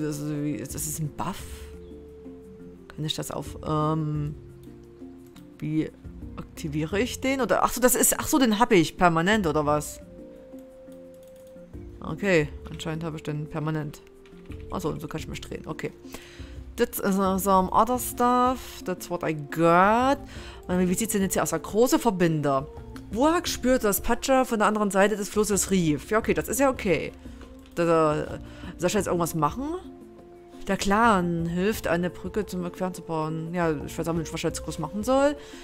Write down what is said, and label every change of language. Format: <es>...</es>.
<de>Das ist ein Buff. Kann ich das auf, wie aktiviere ich den? Oder, ach so, das ist, ach so, den habe ich permanent, oder was? Okay, anscheinend habe ich den permanent. Achso, so kann ich mich drehen, okay.</de> <en>That's some other stuff, that's what I got.</en> <de>Wie sieht es denn jetzt hier aus? Der große Verbinder. Wuak spürt, dass Pacha von der anderen Seite des Flusses rief. Ja, okay, das ist ja okay. Soll ich jetzt irgendwas machen? Der Clan hilft, eine Brücke zum Überqueren zu bauen. Ja, ich weiß nicht, was ich jetzt groß machen soll.</de>